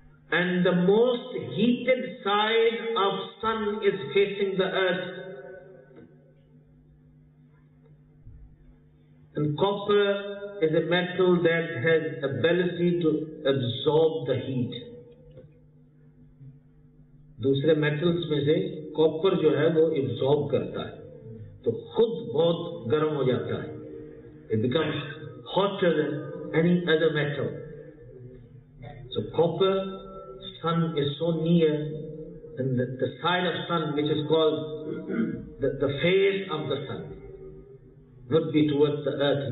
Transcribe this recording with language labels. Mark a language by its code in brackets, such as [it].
[en] And the most heated side of sun is facing the earth. And copper is a metal that has ability to absorb the heat. [hi] दूसरे metals में से copper जो है वो absorb करता है. तो खुद बहुत गर्म हो जाता है. [en] It becomes hotter than any other metal. So copper, sun is so near, and the side of sun which is called the face of the sun would be towards the earth.